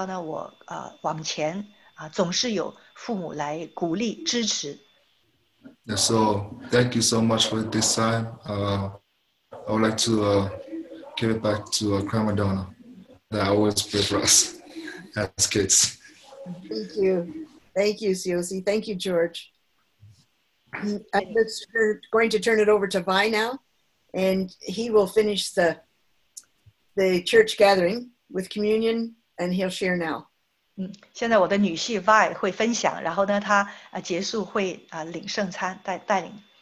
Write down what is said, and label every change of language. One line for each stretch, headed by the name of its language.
Chinese: 就像我的属灵父母啊，Vi、Julie他们会常常鼓励我，你可以的，你可以做的，我就知道呢，我往前。总是有父母来鼓励支持。
English: Yeah, so thank you so much for this time. I would like to give it back to Grandma Donna that always pray for us as kids. Thank you. Thank you, COC. Thank you, George. I'm just going to turn it over to Vi now, and he will finish the church gathering with communion, and he'll share now.
Chinese: 现在我的女婿 Vi 会分享，然后呢，他结束会领圣餐带领。